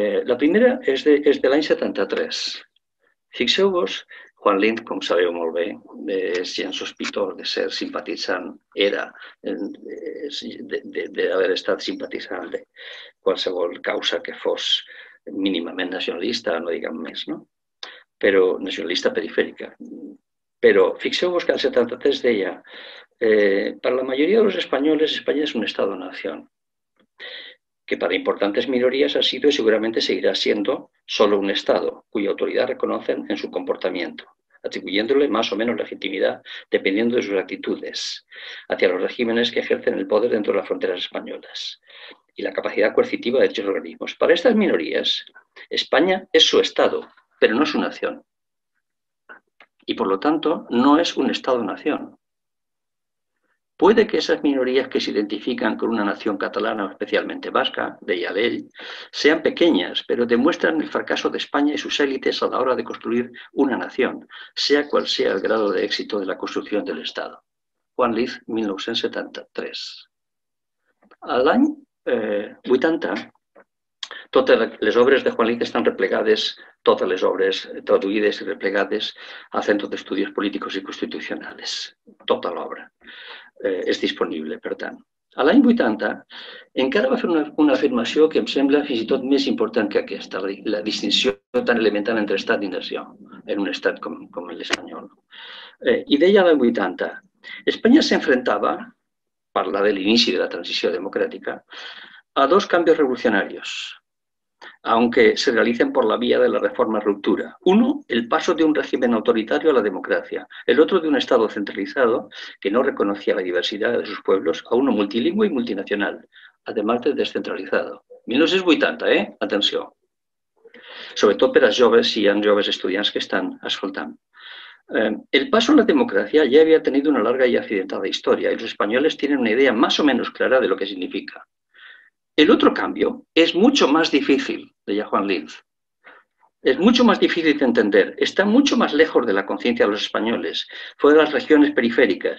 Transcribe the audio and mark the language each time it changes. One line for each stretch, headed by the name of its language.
Catalan: La primera és de l'any 73. Fixeu-vos, Juan Lind, com sabeu molt bé, és gent sospitós de ser simpatitzant, era d'haver estat simpatitzant de qualsevol causa que fos mínimament nacionalista, no diguem més, no? Però nacionalista perifèrica. Però fixeu-vos que el 73 deia per la majoria dels espanyols,
Spanish: Espanya és un estado-nació, que para importantes minorías ha sido y seguramente seguirá siendo solo un Estado, cuya autoridad reconocen en su comportamiento, atribuyéndole más o menos legitimidad dependiendo de sus actitudes hacia los regímenes que ejercen el poder dentro de las fronteras españolas y la capacidad coercitiva de dichos organismos. Para estas minorías, España es su Estado, pero no su nación. Y por lo tanto, no es un Estado-nación. Puede que esas minorías que se identifican con una nación catalana, especialmente vasca, de Yalel, sean pequeñas, pero demuestran el fracaso de España y sus élites a la hora de construir una nación, sea cual sea el grado de éxito de la construcción del Estado. Juan Liz, 1973.
Catalan: Al any 80, totes les obres de Juan Liz estan replegades, totes les obres traduïdes i replegades a centres d'estudis polítics i constitucionals. Tota l'obra és disponible, per tant. A l'any 80 encara va fer una afirmació que em sembla fins i tot més important que aquesta, la distinció tan elemental entre estat i nació en un estat com l'espanyol. I deia l'any 80, Espanya s'enfrontava, parla de l'inici de la transició democràtica, a dos canvis revolucionaris,
Spanish: aunque se realicen por la vía de la reforma-ruptura. Uno, el paso de un régimen autoritario a la democracia. El otro, de un Estado centralizado que no reconocía la diversidad de sus pueblos, a uno multilingüe y multinacional, además de descentralizado. 1980, ¿eh? Atención.
Catalan: Sobretot per als joves, si hi ha joves estudiants que estan escoltant.
Spanish: El paso a la democracia ya había tenido una larga y accidentada historia y los españoles tienen una idea más o menos clara de lo que significa. El otro cambio es mucho más difícil, decía Juan Linz. Es mucho más difícil de entender. Está mucho más lejos de la conciencia de los españoles, fuera de las regiones periféricas.